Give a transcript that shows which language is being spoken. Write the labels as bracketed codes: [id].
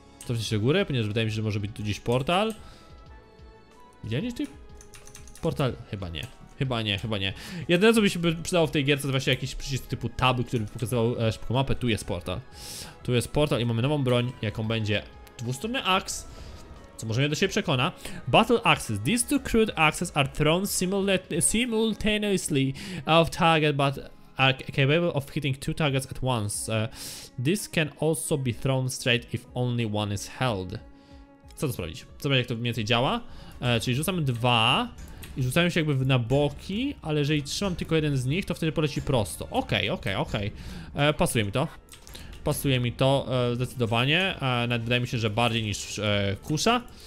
[pl] Cofnę się do góry, ponieważ wydaje mi się, że może być tu gdzieś portal. Widziałem gdzieś tych portal? Chyba nie. Jedyne, co by się przydało w tej gierce, to właśnie jakiś przycisk typu tab, który by pokazywał szybką mapę. Tu jest portal. Tu jest portal i mamy nową broń, jaką będzie dwustronny axe, co może mnie do siebie przekona. [en] Battle axes. These two crude axes are thrown simultaneously off target, but are capable of hitting two targets at once. This can also be thrown straight if only one is held. [pl] Co to sprawdzić? Zobaczmy, jak to mniej więcej działa. Czyli rzucamy dwa i rzucają się jakby na boki, ale jeżeli trzymam tylko jeden z nich, to wtedy poleci prosto. Okej. Pasuje mi to. Pasuje mi to zdecydowanie. Nawet wydaje mi się, że bardziej niż kusza.